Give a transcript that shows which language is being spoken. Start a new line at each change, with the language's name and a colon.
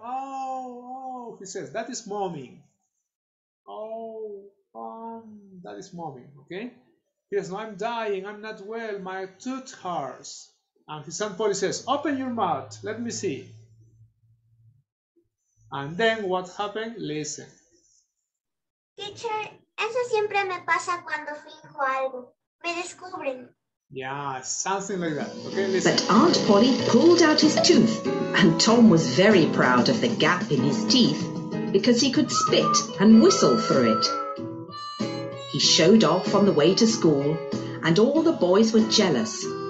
English: Oh, he says, that is mommy. Oh, that is mommy, okay? He says, no, I'm dying, I'm not well, my tooth hurts. And his son Polly says, open your mouth, let me see. And then what happened? Listen.
Spanish: Teacher, eso siempre me pasa cuando finjo algo. Me descubren.
English: Yeah, something like that. Okay, listen. But Aunt Polly pulled out his tooth, and Tom was very proud of the gap in his teeth because he could spit and whistle through it. He showed off on the way to school, and all the boys were jealous.